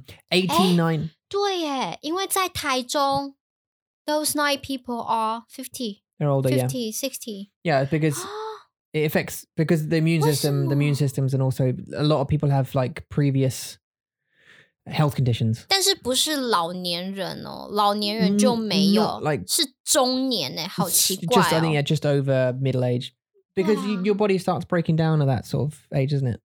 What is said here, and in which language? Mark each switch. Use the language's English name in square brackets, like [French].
[English] 89. [Chinese] 对耶，因为在台中 [English] ，those 9 people are 50. They're older, 50, yeah. 60. Yeah, because it affects, because the immune system, the immune systems, and also a lot of people have like previous health conditions. [Chinese] 但是不是老年人哦，老年人就没有， [English] like, [Chinese] 是中年诶，好奇怪哦。 [English] Just, I think, yeah, just over middle age. Because your body starts breaking down at that sort of age, isn't it?